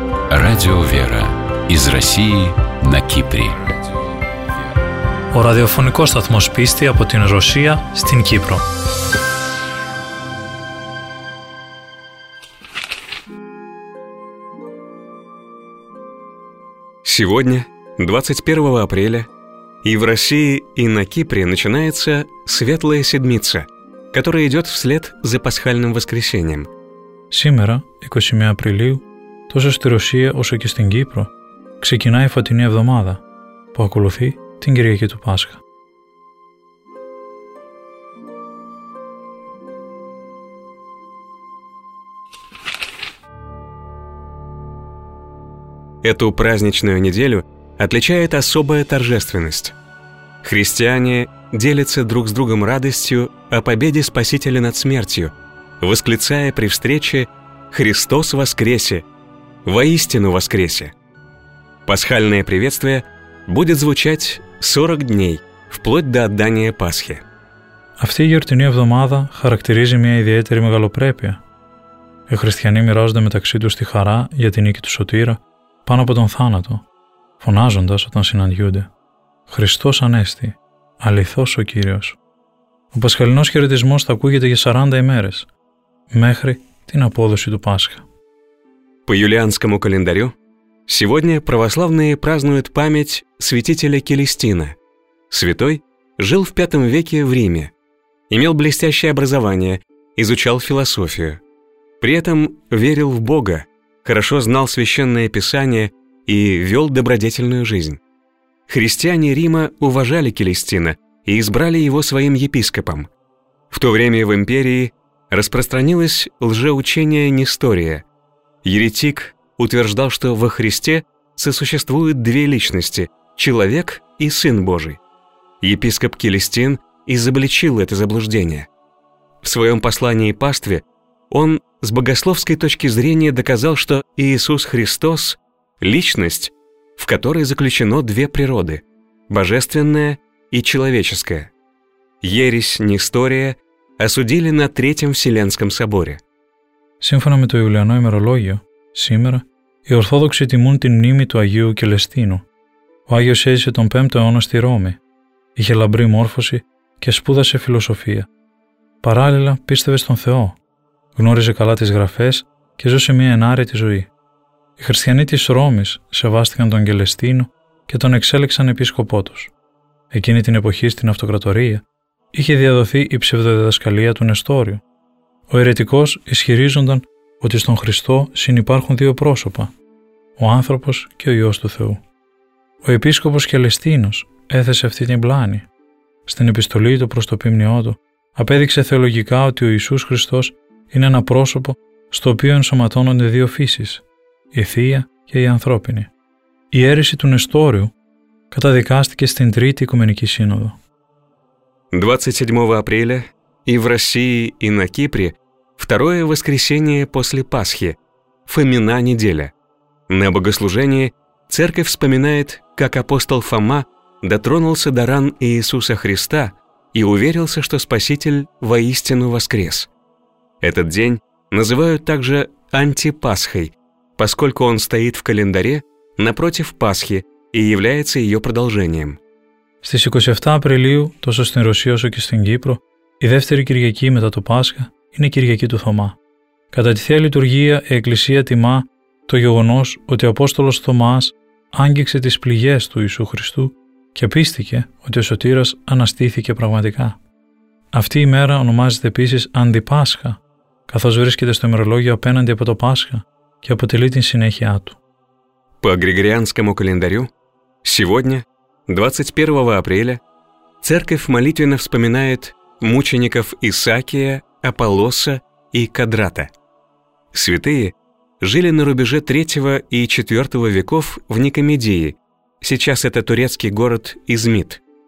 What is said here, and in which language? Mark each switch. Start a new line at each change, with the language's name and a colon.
Russian: Радио Вера из России на Кипре.
Greek: Ο ραδιοφωνικός σταθμός πίστη από την Ρωσία στην Κύπρο.
Russian: Сегодня, 21 апреля, и в России, и на Кипре начинается Светлая Седмица, которая идет вслед за Пасхальным Воскресением. Сегодня, 21 апреля, тоже в России,
Greek: όσο και στην Кύπρο, ξεκινает φωτεινή εβδομάδα, που ακολουθεί την Κυριακή του Πάσχα.
Russian: Эту праздничную неделю отличает особая торжественность. Христиане делятся друг с другом радостью о победе Спасителя над смертью, восклицая при встрече «Христос воскресе! Воистину воскресе!». Пасхальное приветствие будет звучать 40 дней, вплоть до отдания Пасхи.
Greek: Αυτή η γιορτινή εβδομάδα
Russian: характеризует
Greek: μια ιδιαίτερη μεγαλοπρέπεια. Οι χριστιανοί μοιράζονται μεταξύ τους τη χαρά για την νίκη του Σωτήρα πάνω από τον θάνατο, φωνάζοντας όταν συναντιούνται «Χριστός Ανέστη, αληθώς ο Κύριος». Ο πασχαλινός χαιρετισμός θα ακούγεται για 40 ημέρες, μέχρι την απόδοση του Πάσχα.
Russian: По юлианскому календарю, сегодня православные празднуют память святителя Келестина. Святой жил в V веке в Риме, имел блестящее образование, изучал философию. При этом верил в Бога, хорошо знал священное писание и вел добродетельную жизнь. Христиане Рима уважали Келестина и избрали его своим епископом. В то время в империи распространилось лжеучение Нестория. Еретик утверждал, что во Христе сосуществуют две личности – человек и Сын Божий. Епископ Келестин изобличил это заблуждение. В своем послании пастве он с богословской точки зрения доказал, что Иисус Христос – личность, в которой заключено две природы – божественная и человеческая. Ересь Нестория осудили на Третьем Вселенском Соборе.
Greek: Σύμφωνα με το Ιουλιανό ημερολόγιο, σήμερα οι Ορθόδοξοι τιμούν την μνήμη του Αγίου Κελεστίνου. Ο Άγιος έζησε τον 5ο αιώνα στη Ρώμη, είχε λαμπρή μόρφωση και σπούδασε φιλοσοφία. Παράλληλα, πίστευε στον Θεό, γνώριζε καλά τις γραφές και ζούσε μια ενάρετη ζωή. Οι χριστιανοί της Ρώμης σεβάστηκαν τον Κελεστίνο και τον εξέλεξαν επίσκοπό τους. Εκείνη την εποχή στην Αυτοκρατορία είχε διαδοθεί η ψευδοδιδασκαλία του Νεστόριου. Ο αιρετικός ισχυρίζονταν ότι στον Χριστό συνυπάρχουν δύο πρόσωπα, ο άνθρωπος και ο Υιός του Θεού. Ο επίσκοπος Κελεστίνος έθεσε αυτή την πλάνη. Στην επιστολή του προς το ποιμνιό του απέδειξε θεολογικά ότι ο Ιησούς Χριστός είναι ένα πρόσωπο στο οποίο ενσωματώνονται δύο φύσεις, η θεία και η ανθρώπινη. Η αίρεση του Νεστόριου καταδικάστηκε στην Τρίτη Οικουμενική Σύνοδο.
Russian: 27
Greek: Απρίλια
Russian: и в России, и на Кипре второе воскресенье после Пасхи, Фомина неделя. На богослужении церковь вспоминает, как апостол Фома дотронулся до ран Иисуса Христа и уверился, что Спаситель воистину воскрес. Этот день называют также антипасхой, поскольку он стоит в календаре напротив Пасхи и является ее продолжением.
Greek: Στις 27 Απριλίου, τόσο στην Ρωσία όσο και στην Κύπρο, η δεύτερη Κυριακή μετά το Πάσχα είναι η Κυριακή του Θωμά. Κατά τη Θεία Λειτουργία, η Εκκλησία τιμά το γεγονός ότι ο Απόστολος Θωμάς άγγιξε τις πληγές του Ιησού Χριστού και πίστηκε ότι ο Σωτήρας αναστήθηκε πραγματικά. Αυτή η μέρα ονομάζεται επίσης Αντιπάσχα, καθώς βρίσκεται στο ημερολόγιο απέναντι από το Πάσχα και αποτελεί την συνέχειά του.
Russian: По Γρηγοριανскому календарю, сегодня, 21 Апреля, Церковь молитвенно вспоминает мучеников Исаакия, Аполлоса и Кадрата. Святые жили на рубеже 3 и 4 веков в Никомедии, сейчас это турецкий город Измит.